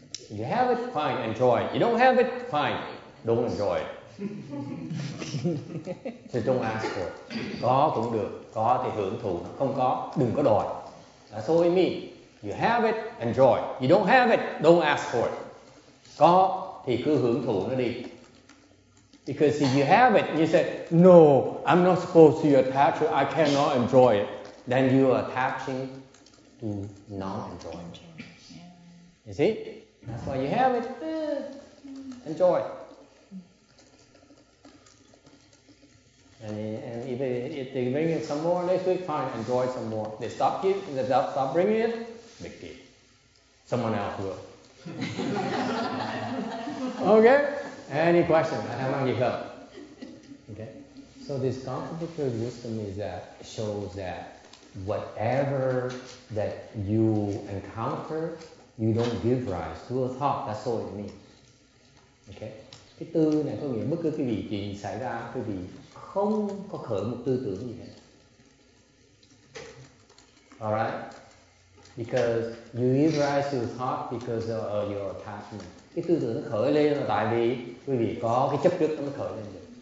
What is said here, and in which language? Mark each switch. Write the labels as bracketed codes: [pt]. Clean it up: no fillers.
[en] You have it, fine, enjoy it. You don't have it, fine, don't enjoy it. Thì don't ask for it. [vi] Có cũng được, có thì hưởng thụ, không có, đừng có đòi. [en] That's all it means. You have it, enjoy. You don't have it, don't ask for it. [vi] Có thì cứ hưởng thụ nó đi. [en] Because if you have it, you say, no, I'm not supposed to attach it, I cannot enjoy it. Then you are attaching to not enjoy it. You see? That's why you have it. Enjoy. And if they bring it some more next week, fine, enjoy some more. They stop giving, they stop bringing it, big deal. Someone else will. Okay? Any question? I have any help. Okay? So this complicated wisdom is that shows that whatever that you encounter, you don't give rise to a thought. That's all it means. Okay? [vi] Cái tư này có nghĩa bất cứ cái gì chuyện xảy ra, cái gì không có khởi một tư tưởng gì hết. [en] Alright? Because you give rise to thought because of your attachment. [vi] Cái tư tưởng nó khởi lên là tại vì quý vị có cái chấp trước nó khởi lên được.